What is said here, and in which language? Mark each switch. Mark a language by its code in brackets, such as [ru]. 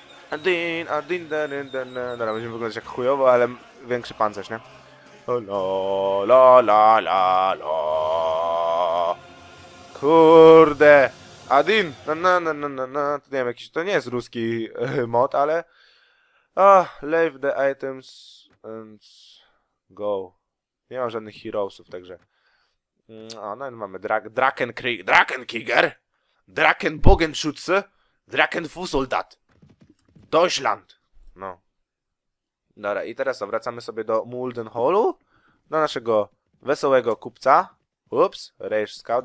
[pl] Adin, adin, adin, adin. Dobra, będziemy wyglądać jak chujowo, ale większy pancerz, nie? Lo, lo, la, la, lo. Kurde. Adin, na. To nie wiem, jakiś, to nie jest ruski mod, ale... [en] Ah, leave the items and go. [pl] Nie mam żadnych heroesów, także... O, no mamy Drakenkrieg... Drakenkrieger! Drakenbogenschütze! Drakenfußsoldat! Deutschland! No. Dobra, i teraz wracamy sobie do Muldenhallu. Do naszego wesołego kupca. Ups, Rage Scout.